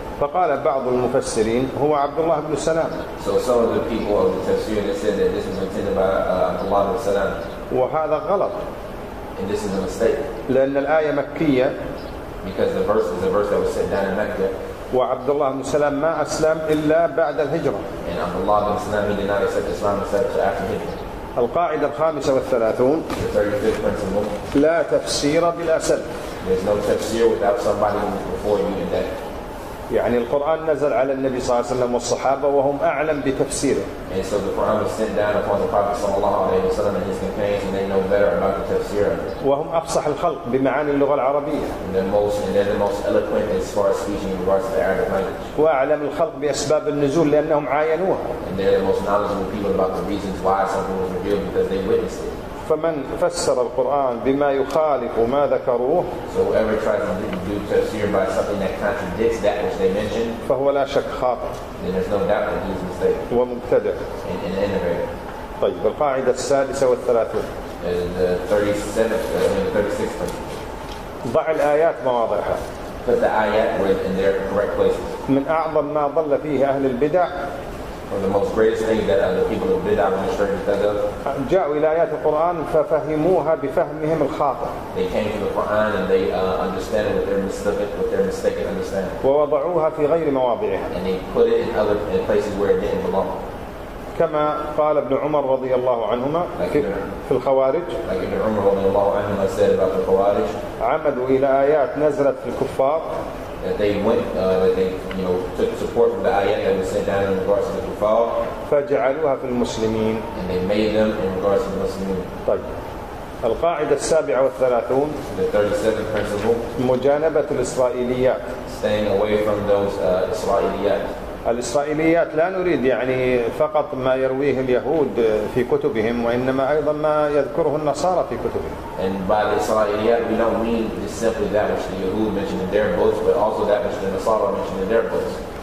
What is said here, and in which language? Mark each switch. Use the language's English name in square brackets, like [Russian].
[Arabic] فقال بعض المفسرين هو عبد الله بن سلام. [English] So some of the people of the tafsir they said that this was intended by Abdullah bin Salam. [Arabic] وهذا غلط. [English] And this is a mistake. [Arabic] لأن الآية مكية. [English] Because the verse is a verse that was set down in Mecca. [Arabic] وعبد الله بن سلام ما أسلم إلا بعد الهجرة. [English] And Abdullah bin Salam he did not accept Islam except after Hijra. [Arabic] القاعدة الخامسة والثلاثون. [English] The 35th principle. [Arabic] لا تفسير بلا سلف. [English] There's no tafsir without somebody before you in that. [Arabic] يعني القرآن نزل على النبي صلى الله عليه وسلم والصحابة وهم أعلم بتفسيره. [English] And so the Quran was sent down upon the Prophet [Arabic] صلى الله عليه وسلم [English] and his companions and they know better about the tafsir. [Arabic] وهم أفصح الخلق بمعاني اللغة العربية. [English] And they're the most eloquent as far as speaking in regards to the Arabic language. [Arabic] وأعلم الخلق بأسباب النزول لأنهم عاينوها. [English] And they're the most knowledgeable people about the reasons why something was revealed because they witnessed it. [Arabic] فمن فسر القرآن بما يخالف ما ذكروه [English] so whoever tries to do tafsir by something that contradicts that which they mentioned [Arabic] فهو لا شك خاطئ [English] then there's no doubt that he's mistaken [Arabic] ومبتدع [English] and innovator. [Arabic] طيب القاعدة السادسة والثلاثون [English] the 36th [Arabic] ضع الآيات مواضعها [English] put the ayat in their correct places [Arabic] من أعظم ما ضل فيه أهل البدع [English] from the most greatest thing that the people of bid'ah and mistreated [Arabic] جاءوا إلى آيات القرآن ففهموها بفهمهم الخاطئ [English] they came to the Quran and they understand with their mistaken understanding [Arabic] ووضعوها في غير مواضعها [English] and they put it in other places where it didn't belong [Arabic] كما قال ابن عمر رضي الله عنهما في الخوارج [English] like ابن عمر [Arabic] رضي الله عنهما [English] said about the خوارج [Arabic] عمدوا إلى آيات نزلت في الكفار [English] that they went took support from the ayat that was sent down in regards to the kuffar [Arabic] فجعلوها في المسلمين [English] and they made them in regards to the Muslims. [Arabic] طيب القاعدة السابعة والثلاثون [English] the 37th principle [Arabic] مجانبة الإسرائيليات [English] staying away from those إسرائيليات [Arabic] الإسرائيليات لا نريد يعني فقط ما يرويه اليهود في كتبهم وإنما أيضا ما يذكره النصارى في كتبهم. [English] And by the Israelites we don't mean just simply that which the Yehud mentioned in their books, but also that which the Nasara mentioned in their books.